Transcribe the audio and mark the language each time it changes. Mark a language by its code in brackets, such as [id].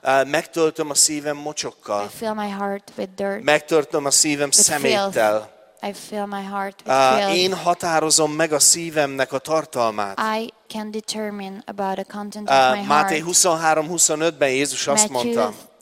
[hu] Megtöltöm a szívem mocsokkal. Megtöltöm a szívem szeméttel. [en] I fill my heart with [hu] én határozom meg a szívemnek a tartalmát. [en] I can determine about the content of my [hu] heart. Máté 23:25-ben Jézus azt mondta.